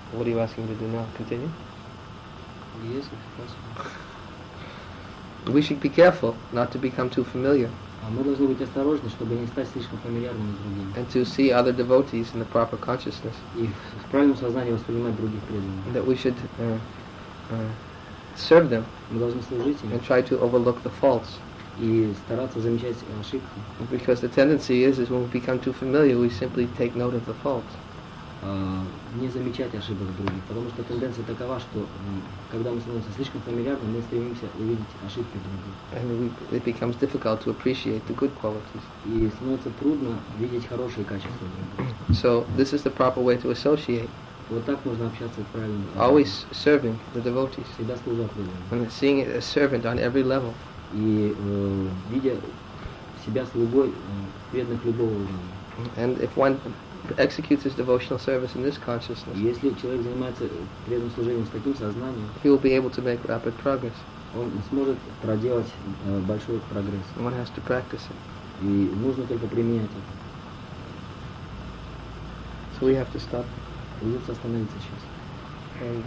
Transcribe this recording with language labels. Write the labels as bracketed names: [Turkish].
[English] What are you asking me to do now? Continue? Yes, if possible. We should be careful not to become too familiar. [Russian] Мы должны быть осторожны, чтобы не стать слишком фамильярными с другими. [English] And to see other devotees in the proper consciousness. [Russian] И в правильном сознании воспринимать других преданных. [English] That we should serve them. [Russian] Мы должны служить им. [English] And try to overlook the faults. [Russian] и стараться замечать ошибки. [English] Because the tendency is when we become too familiar, we simply take note of the faults. [Russian] Не замечать ошибок других, потому что тенденция такова, что когда мы становимся слишком фамильярными, мы стремимся увидеть ошибки других. [English] And it becomes difficult to appreciate the good qualities. [Russian] И становится трудно видеть хорошие качества других. [English] So this is the proper way to associate. [Russian] Вот так нужно общаться правильно. [English] Always serving the devotees. [Russian] Всегда служить людям. [English] And seeing a servant on every level. [Russian] И видя себя слугой преданных любого уровня. [English] And if one executes his devotional service in this consciousness, [Russian] если человек занимается преданным служением с таким сознанием, [English] he will be able to make rapid progress. [Russian] Он сможет проделать большой прогресс. [English] One has to practice it. [Russian] И нужно только применять это. [English] So we have to stop. [Russian] Придется остановиться сейчас.